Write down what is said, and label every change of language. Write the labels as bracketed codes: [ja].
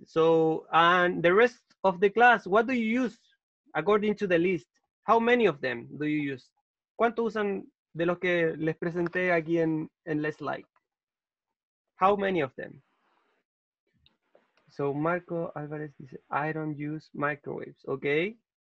[en] So, and the rest of the class, what do you use according to the list? How many of them do you use? [es] ¿Cuánto usan de los que les presenté aquí en Let's Like? [en] How many of them? So Marco Alvarez dice, I don't use microwaves, okay?